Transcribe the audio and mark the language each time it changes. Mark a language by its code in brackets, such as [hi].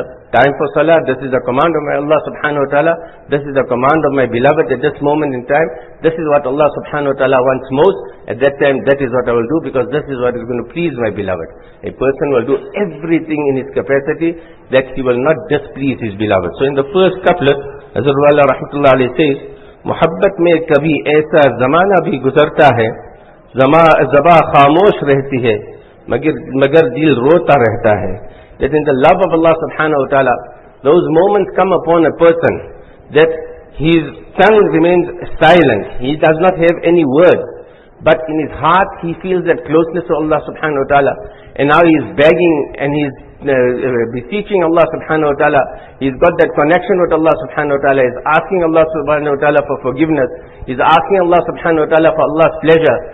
[en] Time for salah, this is the command of my Allah subhanahu wa ta'ala. This is the command of my beloved at this moment in time. This is what Allah subhanahu wa ta'ala wants most. At that time, that is what I will do, because this is what is going to please my beloved. A person will do everything in his capacity that he will not displease his beloved. So in the first couplet, Hazrat Wala rahmatullah alayhi says, [ur] محبت میں کبھی ایسا زمانہ بھی گزرتا ہے زبان خاموش رہتی ہے مگر دل روتا رہتا ہے. [en] That in the love of Allah subhanahu wa ta'ala, those moments come upon a person that his tongue remains silent, he does not have any word, but in his heart he feels that closeness to Allah subhanahu wa ta'ala, and now he is begging and he is beseeching Allah subhanahu wa ta'ala, he's got that connection with Allah subhanahu wa ta'ala, he's asking Allah subhanahu wa ta'ala for forgiveness, he's asking Allah subhanahu wa ta'ala for Allah's pleasure.